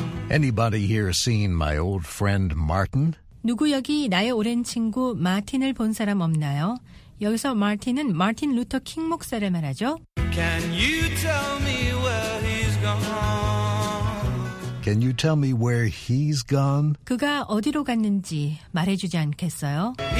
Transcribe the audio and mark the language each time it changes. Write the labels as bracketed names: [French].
[English] Anybody here seen my old friend Martin? [Korean] 누구 여기 나의 오랜 친구 마틴을 본 사람 없나요? 여기서 마틴은 마틴 루터 킹 목사를 말하죠. [English] Can you tell me where he's gone? Can you tell me where he's gone? [Korean] 그가 어디로 갔는지 말해주지 않겠어요?